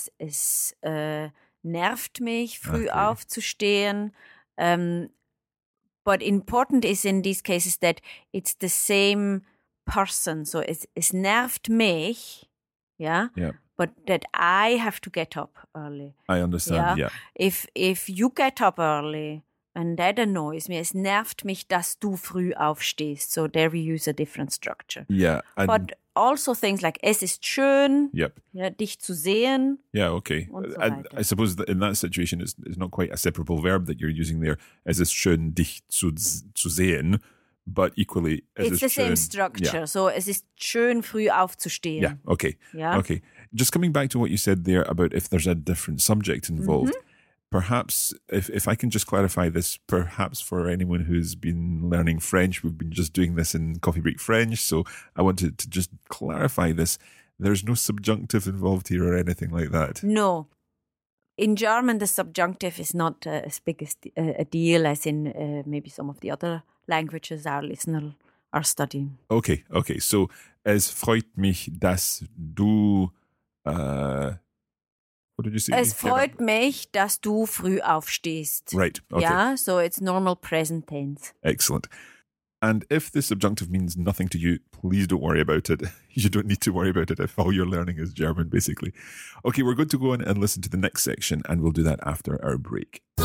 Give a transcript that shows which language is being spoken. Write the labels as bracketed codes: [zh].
[de] Es nervt mich, früh aufzustehen. [en] But important is in these cases that it's the same person. So [de] es nervt mich, [en] but that I have to get up early. I understand, If you get up early, and that annoys me. [de] Es nervt mich, dass du früh aufstehst. [en] So there we use a different structure. Yeah. But also things like, [de] es ist schön, dich zu sehen. [en] Yeah, okay. And so I suppose that in that situation, it's not quite a separable verb that you're using there. [de] Es ist schön, dich zu sehen. [en] But equally, same structure. Yeah. So [de] es ist schön, früh aufzustehen. [en] Yeah, okay. Yeah. Okay. Just coming back to what you said there about if there's a different subject involved. perhaps if I can just clarify this, perhaps for anyone who's been learning French, we've been just doing this in Coffee Break French. So I wanted to just clarify this. There's no subjunctive involved here or anything like that. No. In German, the subjunctive is not as big as a deal as in maybe some of the other languages our listener are studying. Okay, okay. So [de] es freut mich, dass du... [en] what did you say? [de] Es freut mich, dass du früh aufstehst. [en] Right, okay. Yeah, so it's normal present tense. Excellent. And if the subjunctive means nothing to you, please don't worry about it. You don't need to worry about it if all you're learning is German, basically. Okay, we're going to go on and listen to the next section, and we'll do that after our break.